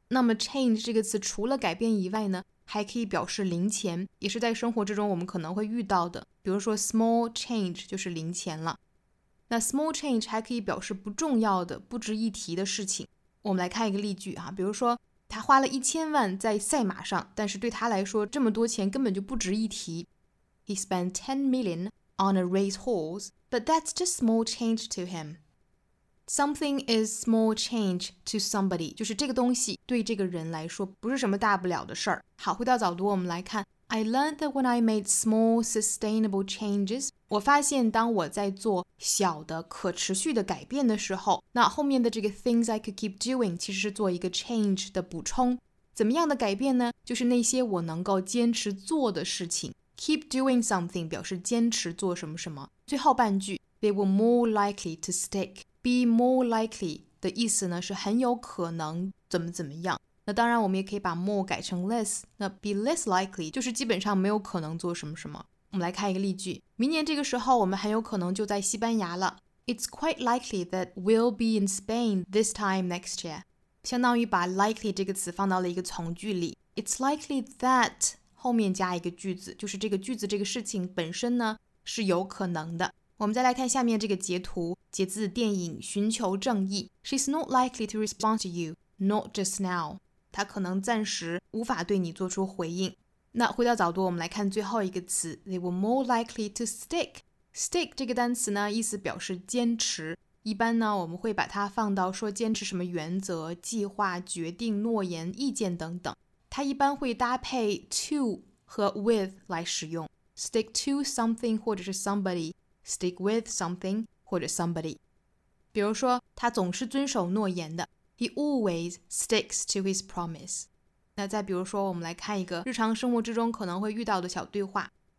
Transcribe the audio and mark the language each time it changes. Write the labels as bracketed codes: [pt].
[zh] 那么 change 这个词除了改变以外呢，还可以表示零钱，也是在生活之中我们可能会遇到的，比如说 small change 就是零钱了。那 small change 还可以表示不重要的，不值一提的事情。我们来看一个例句啊，比如说他花了1000万在赛马上，但是对他来说这么多钱根本就不值一提。 [en] He spent 10 million on a racehorse, but that's just small change to him. Something is small change to somebody, [zh] 就是这个东西对这个人来说不是什么大不了的事儿。好，回到早读我们来看。 [en] I learned that when I made small sustainable changes, [zh] 我发现当我在做小的可持续的改变的时候，那后面的这个 [en] things I could keep doing [zh] 其实是做一个 change 的补充。怎么样的改变呢？就是那些我能够坚持做的事情。 [en] keep doing something [zh] 表示坚持做什么什么。最后半句 [en] they were more likely to stick, be more likely [zh] 的意思呢是很有可能怎么怎么样。那当然我们也可以把 more 改成 less, 那 [en] be less likely [zh] 就是基本上没有可能做什么什么。我们来看一个例句，明年这个时候我们很有可能就在西班牙了。 [en] It's quite likely that we'll be in Spain this time next year. [zh] 相当于把 likely 这个词放到了一个从句里， [en] It's likely that [zh] 后面加一个句子，就是这个句子这个事情本身呢是有可能的。我们再来看下面这个截图，截自电影寻求正义。 [en] She's not likely to respond to you, not just now. [zh] 她可能暂时无法对你做出回应。那回到早读我们来看最后一个词， [en] They were more likely to stick. [zh] Stick 这个单词呢意思表示坚持，一般呢我们会把它放到说坚持什么原则、计划、决定、诺言、意见等等，它一般会搭配 to 和 with 来使用。 [en] Stick to something [zh] 或者是 [en] somebody, stick with something [zh] 或者 [en] somebody。 [zh] 比如说他总是遵守诺言的， [en] He always sticks to his promise。 [zh] 那再比如说我们来看一个日常生活之中可能会遇到的小对话。